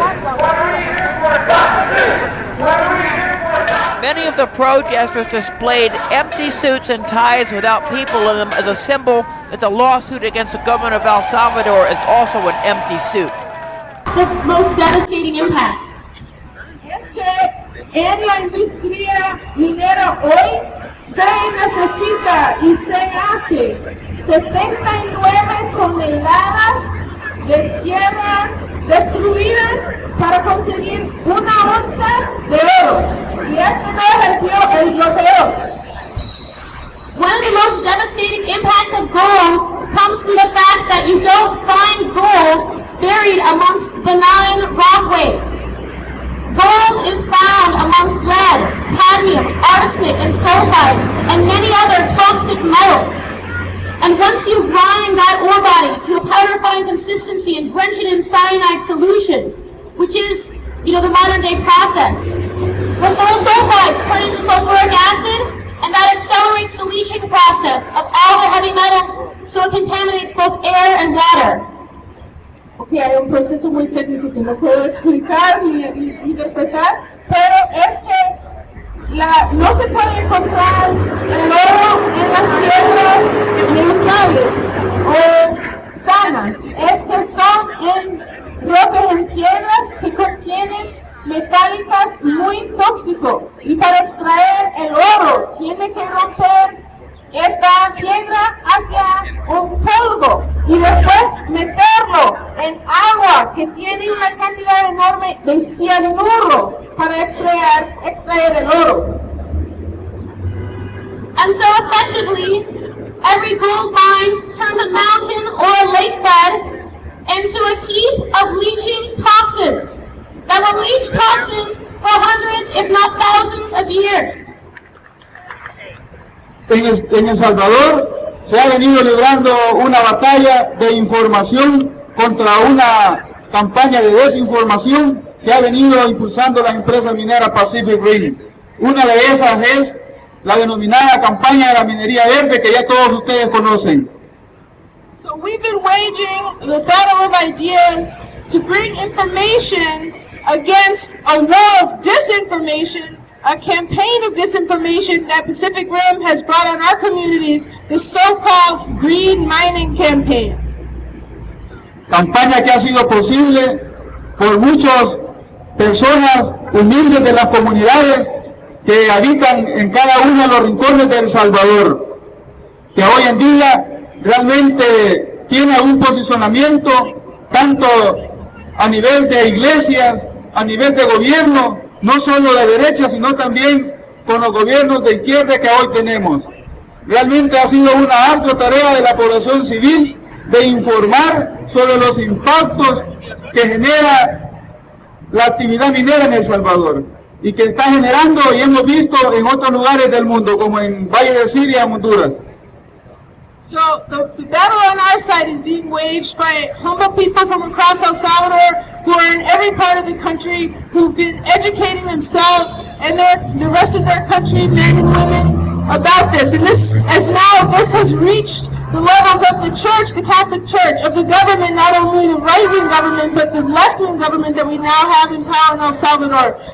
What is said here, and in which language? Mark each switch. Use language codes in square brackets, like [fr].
[en] What are we here for, citizens? What are we here for, citizens? Many of the protesters displayed empty suits and ties without people in them as a symbol that the lawsuit against the government of El Salvador is also an empty suit. The most devastating impact. [es] En la industria minera hoy se necesita y se hace 79 toneladas de tierra destruida para conseguir una onza de oro. Y este no es el bloqueo. [en] One of the most devastating impacts of gold comes from the fact that you don't find gold buried amongst benign rock waste. Gold is found amongst lead, cadmium, arsenic, and sulfides, and many other toxic metals. And once you grind that ore body to a powder fine consistency and drench it in cyanide solution, which is, you know, the modern day process, when those sulfides turn into sulfuric acid, and that accelerates the leaching process of all the heavy metals so it contaminates both air and water. [es] Okay, hay un proceso muy técnico que no puedo explicar ni interpretar, pero es que no se puede encontrar el oro en las tierras neutrales o sanas. Es que son en rocas en piedras que contienen metálicas muy tóxico. Y para extraer el oro tiene que romper esta piedra hacia un polvo y después meterlo en agua que tiene una cantidad enorme de cianuro para extraer el oro. [en] And so effectively, every gold mine turns a mountain or a lake bed into a heap of leaching toxins that will leach toxins for hundreds, if not thousands, of years. [es] En El Salvador se ha venido librando una batalla de información contra una campaña de desinformación que ha venido impulsando la empresa minera Pacific Rim. Una de esas es la denominada campaña de la minería verde que ya todos ustedes conocen. [en] So we've been waging the battle of ideas to bring information against a war of disinformation. A campaign of disinformation that Pacific Rim has brought on our communities, the so-called Green Mining Campaign. [es] Campaña que ha sido posible por muchas personas humildes de las comunidades que habitan en cada uno de los rincones de El Salvador, que hoy en día realmente tiene un posicionamiento tanto a nivel de iglesias, a nivel de gobierno, no solo de derecha, sino también con los gobiernos de izquierda que hoy tenemos. Realmente ha sido una ardua tarea de la población civil de informar sobre los impactos que genera la actividad minera en El Salvador. y que está generando y hemos visto en otros lugares del mundo, como en Valle de Siria, Honduras. [en] So the battle on our side is being waged by humble people from across El Salvador who are in every part of the country, who've been educating themselves and the rest of their country, men and women, about this. And this, as now this has reached the levels of the church, the Catholic Church, of the government, not only the right-wing government, but the left-wing government that we now have in power in El Salvador.